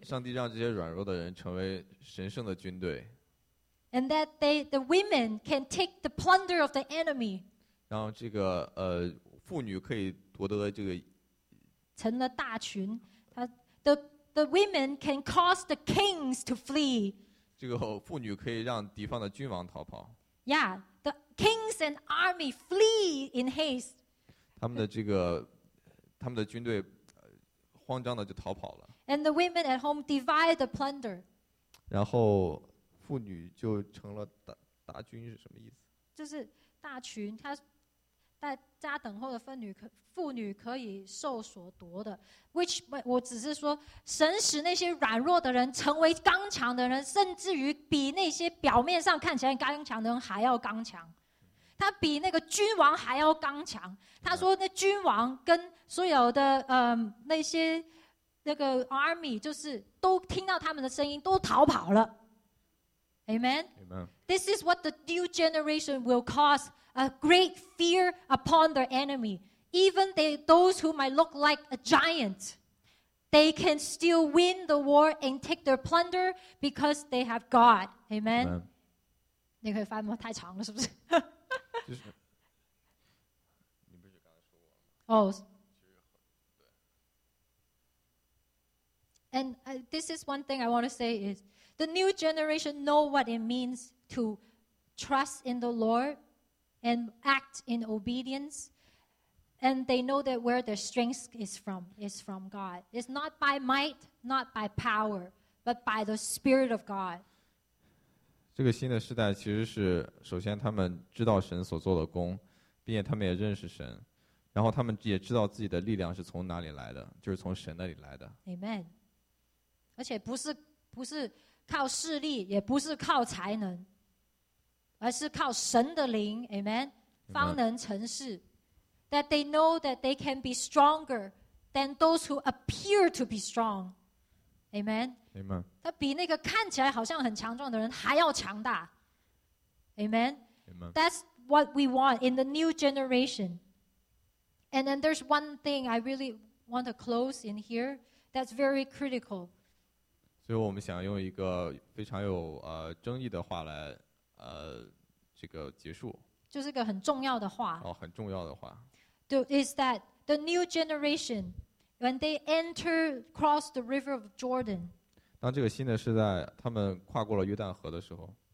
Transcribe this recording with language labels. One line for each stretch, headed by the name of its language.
Chinese: 上帝让这些软弱的人成为神圣的军队。
English: And that the women can take the plunder of the enemy.
Chinese: 然后这个妇女可以夺得这个，成了大群。
English: The women can cause the kings to flee.
Chinese: 这个妇女可以让敌方的君王逃跑。
English: Yeah, the kings and army flee in haste.
Chinese: 他们的军队慌张的就逃跑了。
English: And the women at home divide the plunder.
Chinese: 然后妇女就成了大军是什么意思？就是大群，他。在家等候的妇女可以受所夺的 ，which 我只是说，神使那些软弱的人成为刚强的人，甚至于比那些表面上看起来刚强的人还要刚强。他比那个君王还要刚强。他说，那君王跟所有的那些那个 army 就是都听到他们的声音，都逃跑了。
English: Amen. Amen. This is what the new generation will cause. A great fear upon their enemy. Even those who might look like a giant, they can still win the war and take their plunder because they have God. Amen. Amen.
Chinese: 你可以翻吗？太长了，是不是？就是，你不是刚才说过了吗？哦。
English: And this is one thing I want to say is the new generation know what it means to trust in the Lord. And act in obedience, and they know that where their strength is from God. It's not by might, not by power, but by the Spirit of God.
Chinese: 这个新的时代其实是首先他们知道神所做的工，并且他们也认识神，然后他们也知道自己的力量是从哪里来的，就是从神那里来的。
English: Amen.
Chinese: 而且不是靠势力，也不是靠才能。而是靠神的灵 ，Amen， 方能成事。
English: That they know that they can be stronger than those who appear to be strong, Amen. Amen.
Chinese: 他比那个看起来好像很强壮的人还要强大 ，Amen.
English: Amen. That's what we want in the new generation. And then there's one thing I really want to close in here that's very critical.
Chinese: 所以我们想用一个非常有争议的话来。这个结束就是个很重要的话、哦、很重要的话
English: is that the new generation when they enter cross the river of Jordan
Chinese: 当这个新的时代他们跨过了约旦河的时候